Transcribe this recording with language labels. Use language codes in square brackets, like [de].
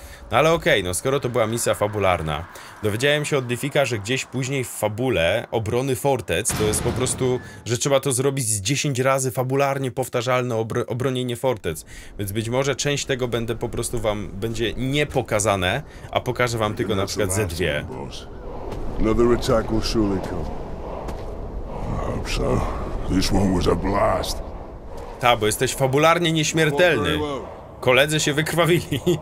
[pl] No ale okej, no skoro to była misja fabularna. Dowiedziałem się od Diffika, że gdzieś później w fabule obrony fortec to jest po prostu, że trzeba to zrobić z 10 razy fabularnie powtarzalne obronienie fortec. Więc być może część tego będę po prostu wam będzie nie pokazane, a pokażę wam tylko na przykład ze dwie. [en] Another attack will surely come. I hope so. This one was a blast. [pl] Ta, bo jesteś fabularnie nieśmiertelny. Koledzy się wykrwawili.